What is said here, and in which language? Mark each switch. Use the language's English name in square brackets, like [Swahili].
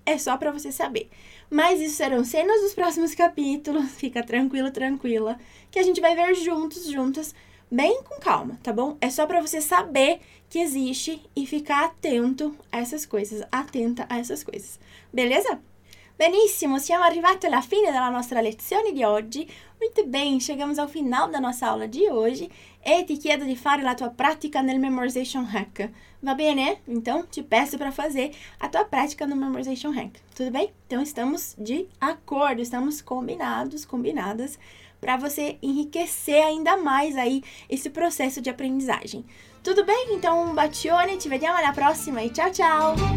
[Portuguese] É só para você saber. Mas isso serão cenas dos próximos capítulos. Fica tranquilo, tranquila, que a gente vai ver juntos, juntas, bem com calma, tá bom? É só para você saber que existe e ficar atento a essas coisas, atenta a essas coisas. Beleza? [Italian] Benissimo, siamo arrivati alla fine della nostra lezione di oggi. [Portuguese] Muito bem, chegamos ao final da nossa aula de hoje e [Italian] te chiedo de fare la tua prática nel [Portuguese] Memorization Hack. [Italian] Va bene? [Portuguese] Então, te peço para fazer a tua prática no Memorization Hack. Tudo bem? Então, estamos de acordo, estamos combinados, combinadas, para você enriquecer ainda mais aí esse processo de aprendizagem. Tudo bem? Então, um bacione, [Italian] te vediamo alla prossima [Portuguese] e tchau, tchau!